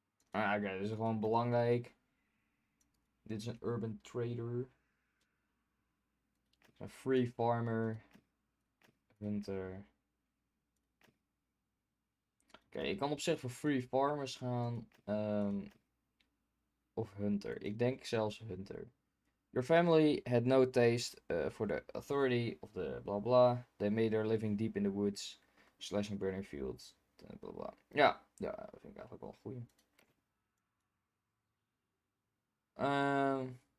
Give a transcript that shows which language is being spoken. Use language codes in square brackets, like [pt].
[nl] Ah, oké, okay, dit is gewoon belangrijk. Dit is een urban trader, een free farmer. Winter. Oké, okay, ik kan op zich voor free farmers gaan. Of hunter. Ik denk zelfs hunter. [en] Your family had no taste for the authority of the blah blah. They made their living deep in the woods. Slashing burning fields. Blah blah. [nl] Ja, ja, dat vind ik eigenlijk wel goed.